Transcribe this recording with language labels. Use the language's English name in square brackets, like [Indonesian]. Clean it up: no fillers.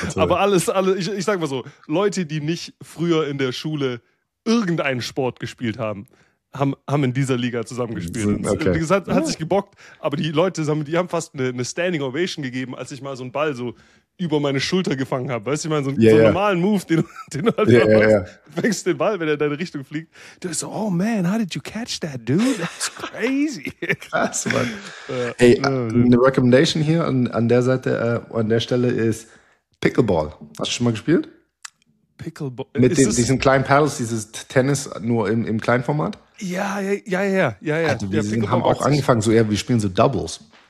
[German] Aber ich sag mal so, Leute, die nicht früher in der Schule irgendeinen Sport gespielt haben, haben in dieser Liga zusammengespielt. Okay. Wie gesagt, hat sich gebockt, aber die Leute, die haben fast eine Standing Ovation gegeben, als ich mal so einen Ball so über meine Schulter gefangen habe. Weißt du, ich meine, so einen normalen Move, den du halt fängst den Ball, wenn er in deine Richtung fliegt. Du bist so, [English] oh man, how did you catch that, dude? That's crazy. [German] Krass, Mann. Eine Recommendation hier an der Stelle ist Pickleball. Hast du schon mal gespielt? Pickleball? Mit diesen kleinen Paddles, dieses Tennis, nur im kleinen Format? Ja. Also wir haben auch angefangen, wir spielen so Doubles.